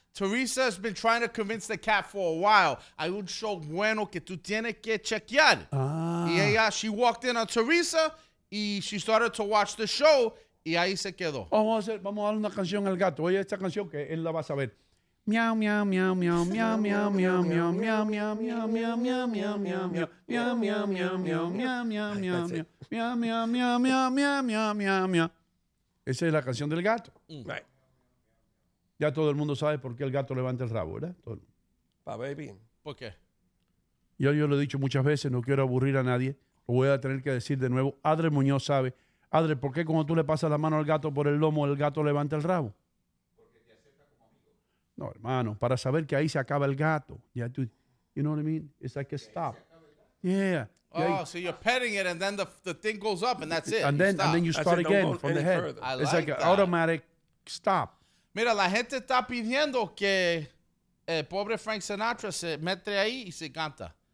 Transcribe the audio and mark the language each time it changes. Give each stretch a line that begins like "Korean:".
English: Teresa has been trying to convince the cat for a while.
Spanish: Hay un show bueno que tú tienes que chequear. Ah.
English: Y ella, she walked in on Teresa, y she started to watch the show,
Spanish: y ahí se quedó. Vamos a dar una canción al gato. Oye, esta canción que él la va a saber. Miau, miau, miau, miau, miau, miau, miau, miau, miau, miau, miau, miau, miau, miau, miau, miau, miau, miau, miau, miau, miau, miau, miau, miau, miau, miau, miau, miau, miau, miau, miau, miau, miau, miau, miau, miau. Esa es la canción del gato.
English: Right.
Spanish: Ya todo el mundo sabe por qué el gato levanta el rabo, ¿verdad? Pa' baby. ¿Por qué? Yo lo he dicho muchas veces, no quiero aburrir a nadie. Lo voy a tener que decir de nuevo. Adre Muñoz sabe. Adre, ¿por qué cuando tú le pasas la mano al gato por el lomo, el gato levanta el rabo? Porque te acepta como amigo. No, hermano, para saber que ahí se acaba el gato.
English: You know what I mean? It's like a stop. Yeah. Oh, yeah. So you're petting it, and then the thing goes up, and that's it. And then you start again from the head. It's like an automatic stop.
Spanish: Mira, la gente está pidiendo que el pobre Frank Sinatra se mete ahí y se canta.